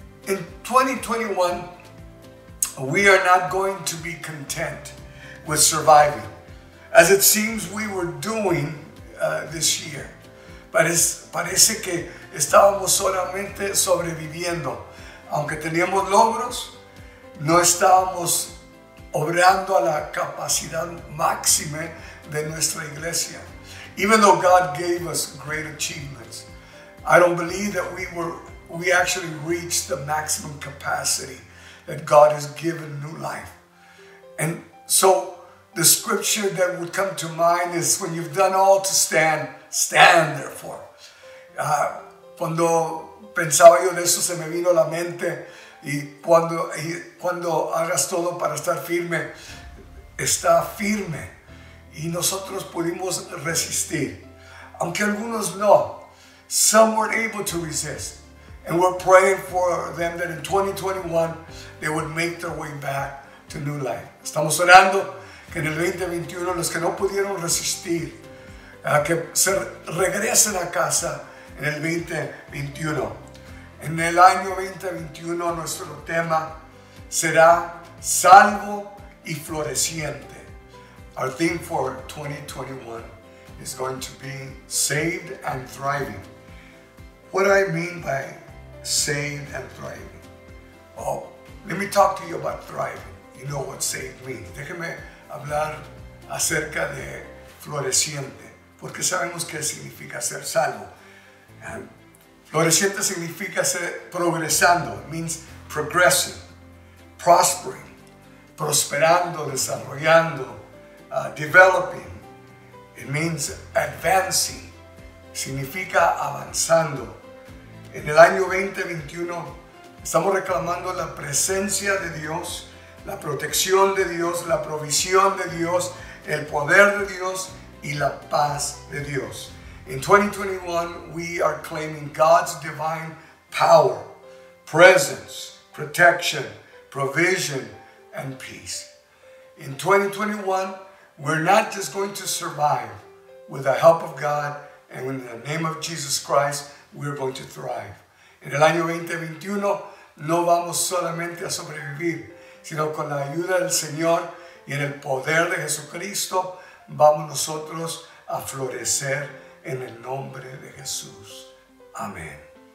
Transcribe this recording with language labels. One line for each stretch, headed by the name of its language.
English: In 2021, we are not going to be content with surviving, as it seems we were doing this year.
Spanish: Parece que estábamos solamente sobreviviendo. Aunque teníamos logros, no estábamos obrando a la capacidad máxima de nuestra iglesia.
English: Even though God gave us great achievements, I don't believe that we actually reached the maximum capacity that God has given new life. And so the scripture that would come to mind is, when you've done all to stand, stand therefore.
Spanish: Cuando pensaba yo de eso, se me vino a la mente Y cuando hagas todo para estar firme, está firme. Y nosotros pudimos resistir. Aunque algunos no.
English: Some weren't able to resist. And we're praying for them that in 2021, they would make their way back to new life.
Spanish: Estamos orando que en el 2021, los que no pudieron resistir, que se regresen a casa en el 2021. En el año 2021, nuestro tema será salvo y floreciente.
English: Our theme for 2021 is going to be saved and thriving. What do I mean by saved and thriving? Oh, let me talk to you about thriving. You know what saved means.
Spanish: Déjeme hablar acerca de floreciente, porque sabemos qué significa ser salvo. And floreciente significa ser progresando.
English: It means progressing, prospering,
Spanish: prosperando, desarrollando,
English: developing. It means advancing.
Spanish: Significa avanzando. En el año 2021 estamos reclamando la presencia de Dios, la protección de Dios, la provisión de Dios, el poder de Dios y la paz de Dios.
English: In 2021, we are claiming God's divine power, presence, protection, provision, and peace. In 2021, we're not just going to survive. With the help of God and in the name of Jesus Christ, we're going to thrive.
Spanish: En el año 2021, no vamos solamente a sobrevivir, sino con la ayuda del Señor y en el poder de Jesucristo, vamos nosotros a florecer en el nombre de Jesús. Amén.